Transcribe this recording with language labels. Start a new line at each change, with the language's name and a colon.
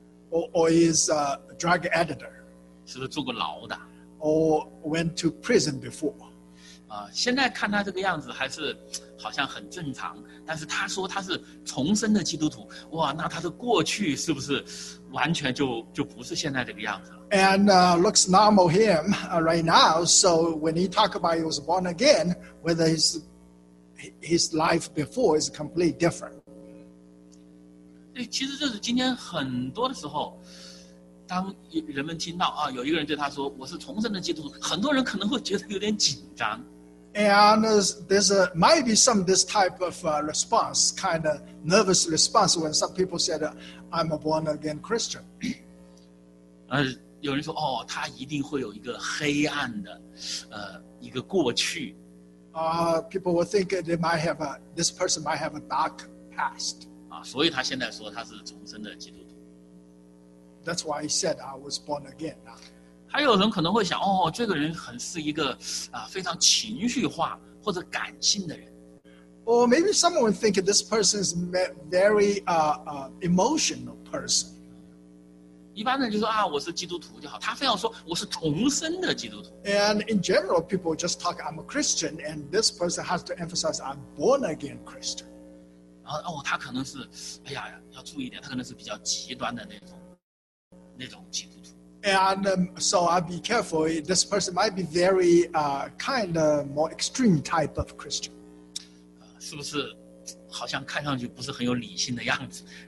English: Or is a drug editor.
Chinese: 是不是坐过牢的?
English: Or went to prison before.
Chinese: 现在看他这个样子还是好像很正常, 但是他说他是重生的基督徒, 哇, 那他的过去是不是完全就不是现在这个样子了?
English: And looks normal him right now, so when he talk about he was born again, whether his life before is completely different.
Chinese: 其实就是今天很多的时候, 当人们听到, 啊, 有一个人对他说, 我是重生的基督徒, 很多人可能会觉得有点紧张。
English: And there's a, might be some this type of response, kind of nervous response when some people said, I'm a born again Christian.
Chinese: 有人说, 哦, 他一定会有一个黑暗的, 一个过去。
English: People will think they might have a, this person might have a dark past.
Chinese: 所以他现在说他是重生的基督徒。
English: That's why he said I was born again.
Chinese: 还有人可能会想, 哦, 这个人很是一个, 啊, 非常情绪化或者感性的人。
English: Or maybe someone think this person is very emotional person.
Chinese: 一般人就说, 啊, 我是基督徒就好, 他非要说, 我是重生的基督徒。
English: And in general, people just talk I'm a Christian, and this person has to emphasize I'm born again Christian.
Chinese: 然后, 哦, 他可能是, 哎呀, 要注意一点, 他可能是比较极端的那种基督徒。
English: And so I'll be careful, this person might be very kind of more extreme type of Christian.
Chinese: 是不是好像看上去不是很有理性的样子?